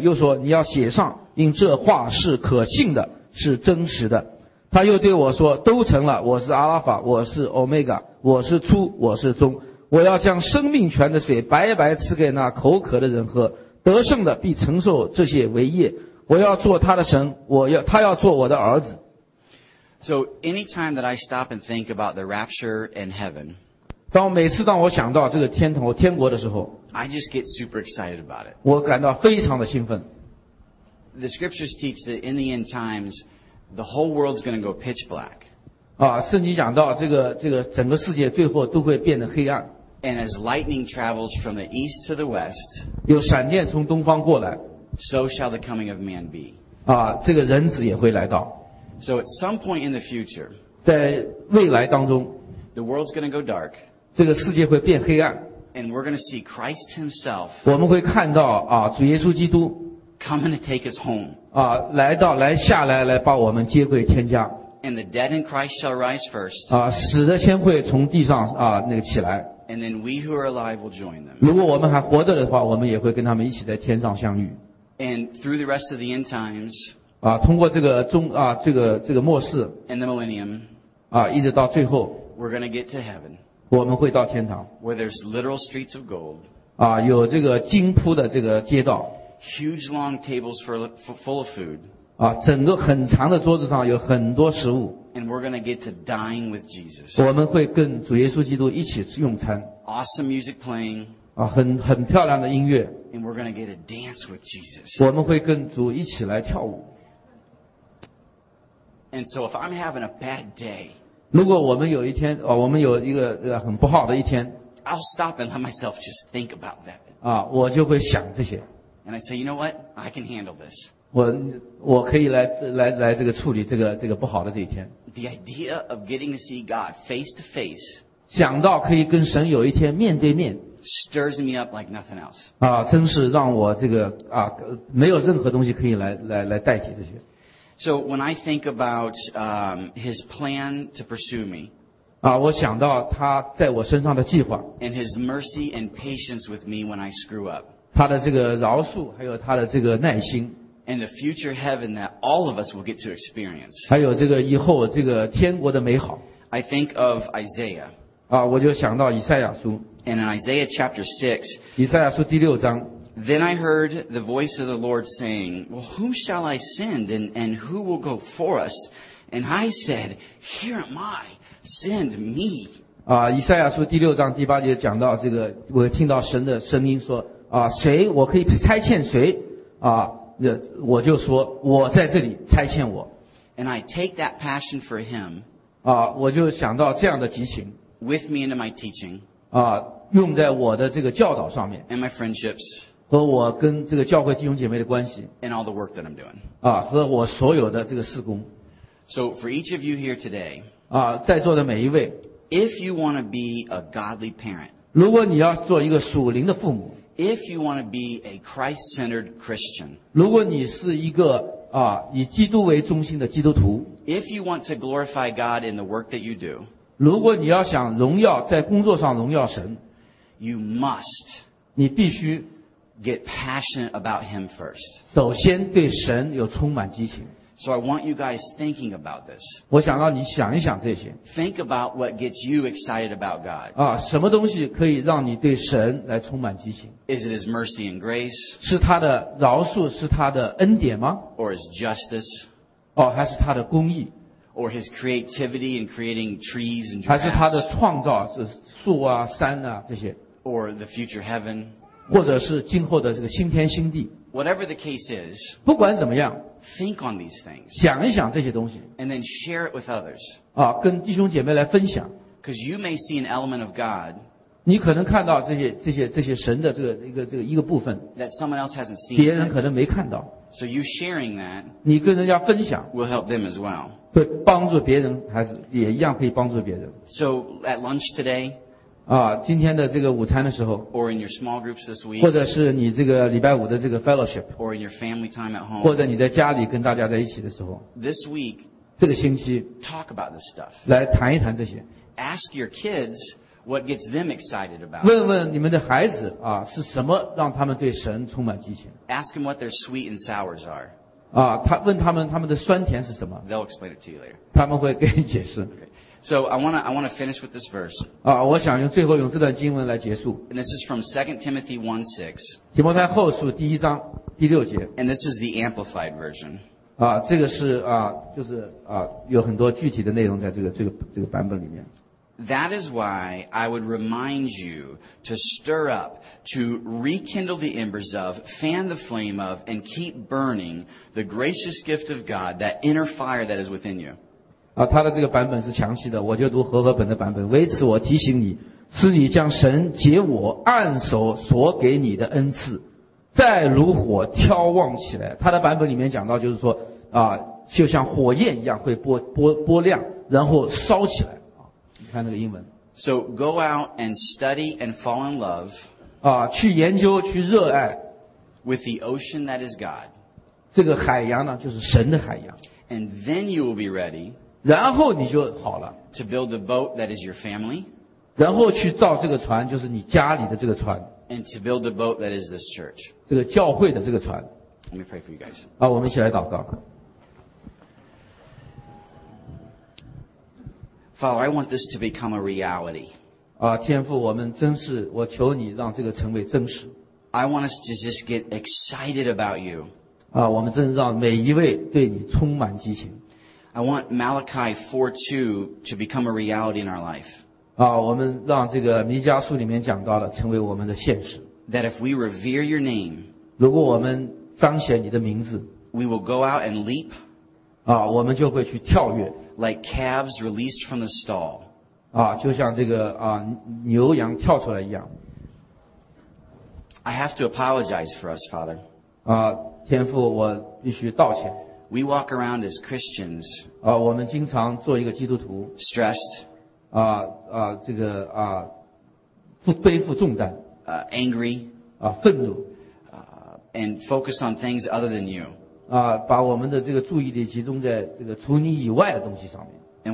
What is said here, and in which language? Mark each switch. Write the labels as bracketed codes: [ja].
[zh] 又说，你要写上，因这话是可信的，是真实的。他又对我说，都成了，我是阿拉法，我是欧米伽，我是初，我是终。我要将生命泉的水白白赐给那口渴的人喝，得胜的必承受这些为业。我要做他的神，他要做我的儿子。 [en] So anytime that I stop and think about the rapture in heaven, [zh] 当每次当我想到这个天堂天国的时候 [en] I just get super excited about it. [zh] 我感到非常的兴奋。 [en] The scriptures teach that in the end times, the whole world's going to go pitch black. [zh] 啊，圣经讲到这个整个世界最后都会变得黑暗。 [en] And as lightning travels from the east to the west, [zh] 有闪电从东方过来。 [en] So shall the coming of man be. [zh] 啊，这个人子也会来到。 [en] So at some point in the future, [zh] 在未来当中 [en] The world's going to go dark. [zh] 这个世界会变黑暗。 [en] And we're going to see Christ himself. [zh] 我们会看到啊，主耶稣基督。 [en] Coming to take us home. [zh] 啊，来把我们接回天家。 [en] And the dead in Christ shall rise first. [zh] 啊，死的先会从地上啊那个起来。 [en] And then we who are alive will join them. [zh] 如果我们还活着的话，我们也会跟他们一起在天上相遇。 [en] And through the rest of the end times. [zh] 啊，通过这个末世。 [en] And the millennium. [zh] 啊，一直到最后。 [en] We're going to get to heaven. [zh] 我们会到天堂。 [en] Where there's literal streets of gold. [zh] 啊，有这个金铺的这个街道。 [en] Huge long tables full of food. [zh] 啊，整个很长的桌子上有很多食物。 [en] And we're going to get to dine with Jesus. [zh] 我们会跟主耶稣基督一起用餐。 [en] Awesome music playing. [zh] 啊，很漂亮的音乐。 [en] And we're going to get to dance with Jesus. [zh] 我们会跟主一起来跳舞。 [en] And so if I'm having a bad day. [zh] 如果我们有一天，我们有一个很不好的一天 [en] ，I'll stop and let myself just think about that. [zh] 啊，我就会想这些。 [en] And I say, you know what? I can handle this. [zh] 我可以来这个处理这个不好的这一天。 [en] The idea of getting to see God face to face. [zh] 想到可以跟神有一天面对面 [en] ，stirs me up like nothing else. [zh] 啊，真是让我这个啊，没有任何东西可以来代替这些。 [en] So when I think about his plan to pursue me, [zh] 啊，我想到他在我身上的计划 [en] ，and his mercy and patience with me when I screw up, [zh] 他的这个饶恕，还有他的这个耐心 [en] ，and the future heaven that all of us will get to experience, [zh] 还有这个以后这个天国的美好 [en] ，I think of Isaiah, [zh] 啊，我就想到以赛亚书 [en] ，and in Isaiah chapter 6, [zh] 以赛亚书第六章。 [en] Then I heard the voice of the Lord saying, Well, whom shall I send and who will go for us? And I said, Here am I, send me. [zh] 啊，以赛亚书第六章第八节讲到这个，我听到神的声音说，啊，谁我可以差遣谁？啊，我就说我在这里，差遣我。 [en] And I take that passion for him. [zh] 啊，我就想到这样的激情。 [en] With me into my teaching. [zh] 啊，用在我的这个教导上面。 [en] And my friendships. [zh] 和我跟这个教会弟兄姐妹的关系 [en] and all the work that I'm doing. [zh] 啊，和我所有的这个事工 [en] So for each of you here today, [zh] 啊，在座的每一位， [en] if you want to be a godly parent, [zh] 如果你要做一个属灵的父母， [en] if you want to be a Christ-centered Christian, [zh] 如果你是一个啊，以基督为中心的基督徒， [en] if you want to glorify God in the work that you do, [zh] 如果你要想荣耀在工作上荣耀神， [en] you must, [zh] 你必须 [en] get passionate about him first. [zh] 首先对神有充满激情。 [en] So I want you guys thinking about this. [zh] 我想让你想一想这些。 [en] Think about what gets you excited about God. [zh] 啊，什么东西可以让你对神来充满激情？ [en] Is it his mercy and grace? [zh] 是他的饶恕，是他的恩典吗？ [en] Or his justice? [zh] 哦，还是他的公义？ [en] Or his creativity in creating trees and grass? [zh] 还是他的创造，是树啊，山啊，这些？ [en] Or the future heaven? [zh] 或者是今后的这个新天新地。 [en] Whatever the case is, [zh] 不管怎么样， [en] think on these things, [zh] 想一想这些东西， [en] and then share it with others, [zh] 啊，跟弟兄姐妹来分享。 [en] Because you may see an element of God, [zh] 你可能看到这些神的这个部分， [en] that someone else hasn't seen, [zh] 别人可能没看到。 [en] So you sharing that, [zh] 你跟人家分享， [en] will help them as well, [zh] 会帮助别人，还是也一样可以帮助别人。 [en] So at lunch today, [zh] 啊，今天的这个午餐的时候， [en] or in your small groups this week, [zh] 或者是你这个礼拜五的这个 fellowship, [en] or in your family time at home, [zh] 或者你在家里跟大家在一起的时候， [en] this week, [zh] 这个星期， [en] talk about this stuff, [zh] 来谈一谈这些。 [en] Ask your kids what gets them excited about. [zh] 问问你们的孩子啊，是什么让他们对神充满激情？ [en] Ask them what their sweet and sours are. [zh] 啊，他问他们的酸甜是什么？ [en] They'll explain it to you later. [zh] 他们会给你解释。 [en] Okay. So I want to finish with this verse. [zh] 啊，我想用最后用这段经文来结束。 [en] And this is from 2 Timothy 1:6. [zh] 提摩太后书第一章第六节。 [en] And this is the Amplified version. [zh] 啊，这个是啊，就是啊，有很多具体的内容在这个版本里面。 [en] That is why I would remind you to stir up, to rekindle the embers of, fan the flame of, and keep burning the gracious gift of God, that inner fire that is within you. [zh] 啊，他的这个版本是详细的，我就读和合本的版本。为此，我提醒你，是你将神借我按手所给你的恩赐，再如火眺望起来。他的版本里面讲到，就是说啊，就像火焰一样会波亮，然后烧起来啊。你看那个英文。 [en] So go out and study and fall in love. [zh] 啊，去研究，去热爱。 [en] With the ocean that is God. [zh] 这个海洋呢，就是神的海洋。 [en] And then you will be ready. [zh] 然后你就好了。 [en] To build a boat that is your family. [zh] 然后去造这个船，就是你家里的这个船。 [en] And to build a boat that is this church. [zh] 这个教会的这个船。 [en] Let me pray for you guys. [zh] 好，我们一起来祷告。 [en] Father, I want this to become a reality. [zh] 啊，天父，我们真是，我求你让这个成为真实。 [en] I want us to just get excited about you. [zh] 啊，我们真让每一位对你充满激情。 [en] I want Malachi 4:2 to become a reality in our life. [zh] 啊，我们让这个弥迦书里面讲到了，成为我们的现实。 [en] That if we revere your name, [zh] 如果我们彰显你的名字， [en] we will go out and leap. [zh] 啊，我们就会去跳跃。 [en] Like calves released from the stall. [zh] 啊，就像这个啊牛羊跳出来一样。 [en] I have to apologize for us, Father. [zh] 啊，天父，我必须道歉。 [en] We walk around as Christians, [zh] 啊，我们经常做一个基督徒 [en] ，stressed, [zh] 啊啊，这个啊，背负重担 [en] ，angry, [zh] 啊，愤怒 [en] and focus on things other than you, [zh] 啊，把我们的这个注意力集中在这个除你以外的东西上面